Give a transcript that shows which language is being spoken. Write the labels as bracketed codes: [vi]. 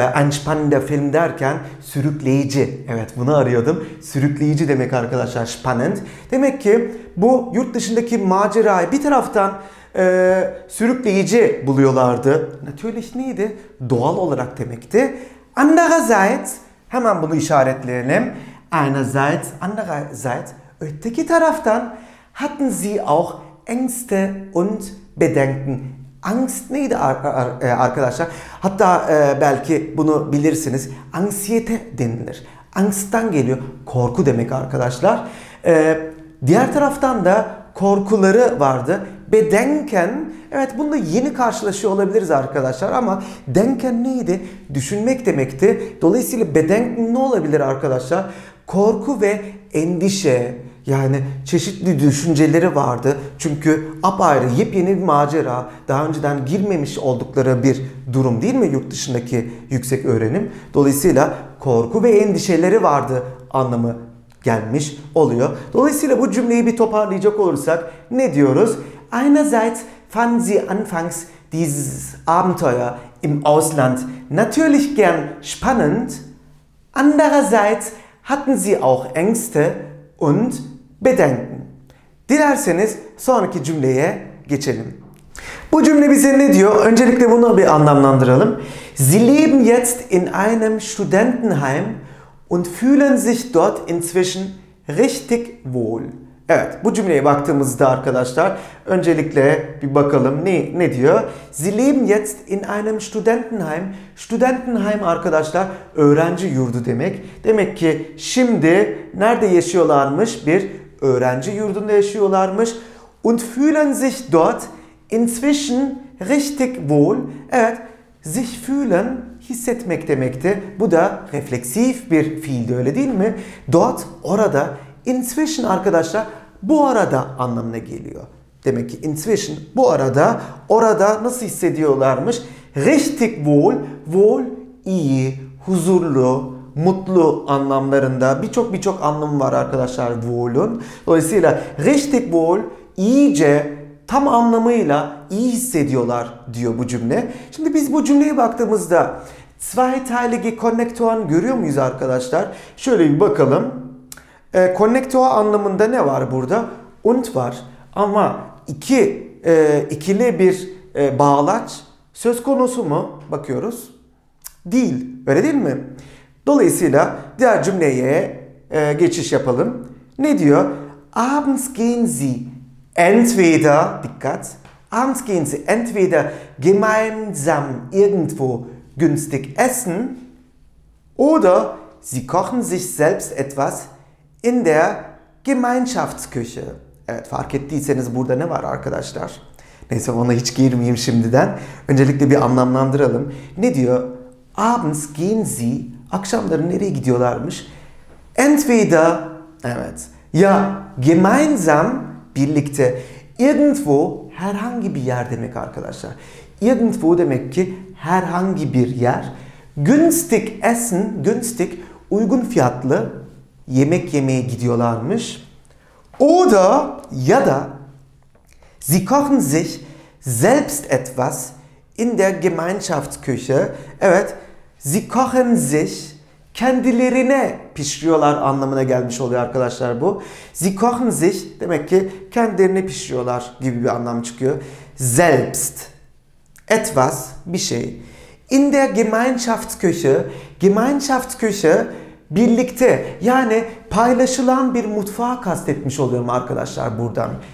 [tr] Spannende film derken sürükleyici. Evet, bunu arıyordum. Sürükleyici demek arkadaşlar, spannend. Demek ki bu yurt dışındaki macerayı bir taraftan sürükleyici buluyorlardı. Natürlich neydi? Doğal olarak demekti. Andererseits, hemen bunu işaretleyelim. [de] Einerseits, andererseits, [tr] öteki taraftan [de] hatten sie auch Ängste und Bedenken. [tr] Angst neydi arkadaşlar? Hatta belki bunu bilirsiniz. Anksiyete denilir. Angst'tan geliyor. Korku demek arkadaşlar. Diğer taraftan da korkuları vardı. Bedenken, evet bununla yeni karşılaşıyor olabiliriz arkadaşlar ama denken neydi? Düşünmek demekti. Dolayısıyla bedenken ne olabilir arkadaşlar? Korku ve endişe, yani çeşitli düşünceleri vardı. Çünkü apayrı, yepyeni bir macera, daha önceden girmemiş oldukları bir durum değil mi yurt dışındaki yüksek öğrenim? Dolayısıyla korku ve endişeleri vardı anlamı gelmiş oluyor. Dolayısıyla bu cümleyi bir toparlayacak olursak ne diyoruz? [de] Einerseits fanden sie anfangs dieses Abenteuer im Ausland natürlich gern spannend. Andererseits hatten sie auch Ängste und Bedenken. [tr] Dilerseniz sonraki cümleye geçelim. Bu cümle bize ne diyor? Öncelikle bunu bir anlamlandıralım. [de] Sie leben jetzt in einem Studentenheim und fühlen sich dort inzwischen richtig wohl. [tr] Evet, bu cümleye baktığımızda arkadaşlar öncelikle bir bakalım ne diyor? [de] Sie leben jetzt in einem Studentenheim. [tr] Studentenheim arkadaşlar öğrenci yurdu demek. Demek ki şimdi nerede yaşıyorlarmış? Bir öğrenci yurdunda yaşıyorlarmış. [de] Und fühlen sich dort inzwischen richtig wohl. [tr] Evet, sich fühlen, hissetmek demekti. Bu da refleksif bir fiildi, öyle değil mi? Dort, orada. Inzwischen arkadaşlar bu arada anlamına geliyor. Demek ki inzwischen bu arada, orada nasıl hissediyorlarmış? Richtig wohl, wohl iyi, huzurlu, mutlu anlamlarında birçok anlamı var arkadaşlar wohl'un. Dolayısıyla richtig wohl, iyice, tam anlamıyla iyi hissediyorlar diyor bu cümle. Şimdi biz bu cümleye baktığımızda zweiteilige Konnektoren görüyor muyuz arkadaşlar? Şöyle bir bakalım. Konnektör anlamında ne var burada? Und var. Ama ikili bir bağlaç söz konusu mu? Bakıyoruz. Değil. Öyle değil mi? Dolayısıyla diğer cümleye geçiş yapalım. Ne diyor? [de] Abends gehen sie entweder, [tr] dikkat. [de] Abends gehen sie entweder gemeinsam irgendwo günstig essen oder sie kochen sich selbst etwas in der Gemeinschaftsküche. [tr] Evet, fark ettiyseniz burada ne var arkadaşlar? Neyse, ona hiç girmeyeyim şimdiden. Öncelikle bir anlamlandıralım. Ne diyor? [de] Abends gehen sie, [tr] akşamları nereye gidiyorlarmış? Entweder, evet, Ya gemeinsam, birlikte. Irgendwo, herhangi bir yer demek arkadaşlar. Irgendwo demek ki herhangi bir yer. [de] Günstig essen, [tr] günstig, uygun fiyatlı yemek yemeye gidiyorlarmış. [de] Oder, [tr] ya da [de] sie kochen sich selbst etwas in der Gemeinschaftsküche. [tr] Evet, [de] sie kochen sich, [tr] kendilerine pişiriyorlar anlamına gelmiş oluyor arkadaşlar bu. [de] Sie kochen sich, [tr] demek ki kendilerine pişiriyorlar gibi bir anlam çıkıyor. Selbst, etwas, bir şey. [de] In der Gemeinschaftsküche, [tr] Gemeinschaftsküche, birlikte, yani paylaşılan bir mutfağı kastetmiş oluyorum arkadaşlar buradan.